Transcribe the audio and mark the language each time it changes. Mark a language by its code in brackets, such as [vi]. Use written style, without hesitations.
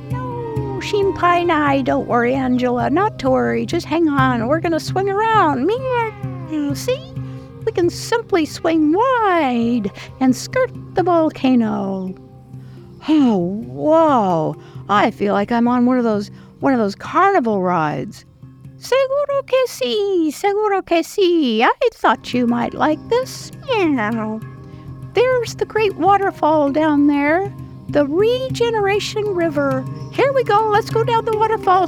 [en] No, Shinpai and I, don't worry, Angela. Not to worry. Just hang on. We're going to swing around. Meow. See? We can simply swing wide and skirt the volcano. Oh, whoa. I feel like I'm on one of those carnival rides. [es] Seguro que sí, seguro que sí. [en] I thought you might like this. Meow. There's the great waterfall down there, the Regeneration River. Here we go. Let's go down the waterfall.